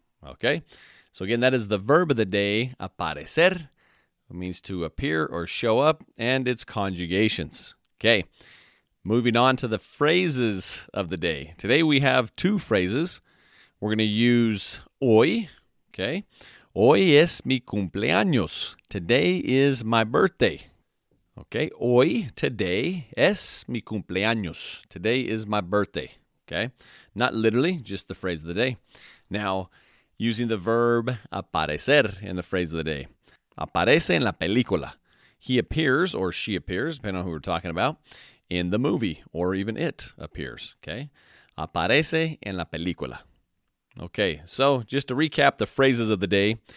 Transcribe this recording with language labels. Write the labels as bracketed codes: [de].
[en] Okay, so again, that is the verb of the day, aparecer. It means to appear or show up, and its conjugations. Okay, moving on to the phrases of the day. Today we have two phrases. We're going to use hoy, okay. [es] Hoy es mi cumpleaños. [en] Today is my birthday. [es] Okay, hoy, today, es mi cumpleaños. [en] Today is my birthday. Okay, not literally, just the phrase of the day. Now, using the verb aparecer in the phrase of the day. [es] Aparece en la película. [en] He appears or she appears, depending on who we're talking about, in the movie or even it appears. [es] Okay, aparece en la película. [en] Okay, so just to recap the phrases of the day.